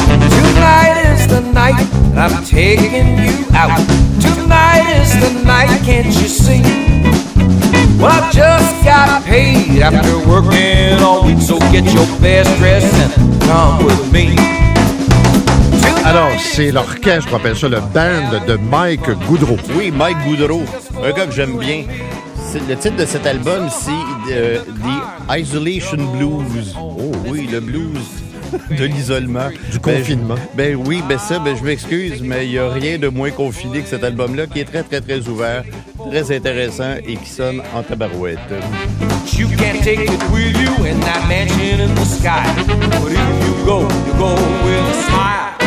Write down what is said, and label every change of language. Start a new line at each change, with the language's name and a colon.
English: Tonight is the night I'm taking you out. Tonight is the night, can't you see? Well, I just got paid after working all week, so get your best dress and come with me.
French: Alors, c'est l'orchestre, on appelle ça le band de Mike Goodreau. Oui, Mike Goodreau, un gars que j'aime bien. C'est le titre de cet album, c'est The Isolation Blues. Oh oui, le blues de l'isolement. Du confinement. Ben, je m'excuse, mais il n'y a rien de moins confiné que cet album-là, qui est très, très, très ouvert, très intéressant et qui sonne en tabarouette.
English: You can't take it with you in that mansion in the sky. But if you go with a smile.